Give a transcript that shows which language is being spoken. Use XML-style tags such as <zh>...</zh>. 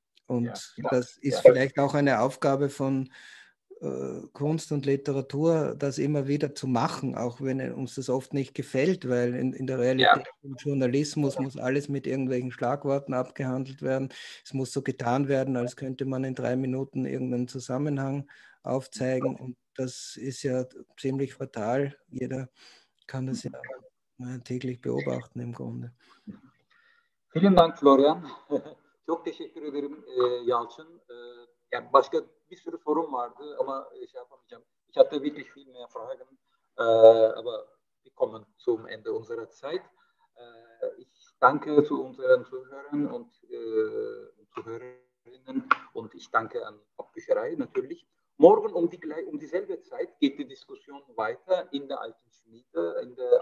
<de>Und das ist vielleicht auch eine Aufgabe von Kunst und Literatur, das immer wieder zu machen, auch wenn uns das oft nicht gefällt, weil in der Realität im Journalismus muss alles mit irgendwelchen Schlagworten abgehandelt werden. Es muss so getan werden, als könnte man in 3 Minuten irgendeinen Zusammenhang aufzeigen. Und das ist ja ziemlich fatal. Jeder kann das ja täglich beobachten im Grunde. Vielen Dank, Florian.</de> <tr>Çok teşekkür ederim, Yalçın. Yani başka bir sürü sorum vardı ama şey yapamayacağım.</tr> <de>Ich hatte wirklich viel mehr Fragen, aber wir kommen zum Ende unserer Zeit. Ich danke zu unseren Zuhörern und Zuhörerinnen und ich danke an Hauptbücherei natürlich. Morgen dieselbe Zeit geht die Diskussion weiter in der Alten Schmiede.</de>